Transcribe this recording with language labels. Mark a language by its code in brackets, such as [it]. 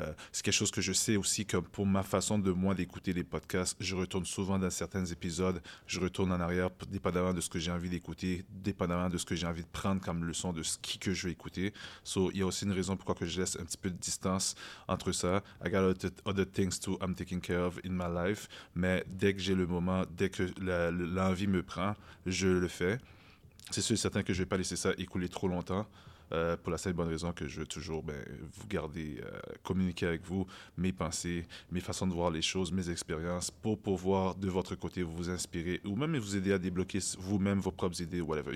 [fr] C'est quelque chose que je sais aussi que pour ma façon de moi d'écouter les podcasts, je retourne souvent dans certains épisodes. Je retourne en arrière, dépendamment de ce que j'ai envie d'écouter, dépendamment de ce que j'ai envie de prendre comme leçon de ce qui que je vais écouter. So, il y a aussi une raison pourquoi que je laisse un petit peu de distance entre ça. [en] I got other things to I'm taking care of in my life. [fr] Mais dès que j'ai le moment, dès que l'envie me prend, je le fais. C'est sûr et certain que je ne vais pas laisser ça écouler trop longtemps. Pour la seule bonne raison que je veux toujours vous garder, communiquer avec vous mes pensées, mes façons de voir les choses, mes expériences, pour pouvoir de votre côté vous inspirer ou même vous aider à débloquer vous-même vos propres idées, whatever.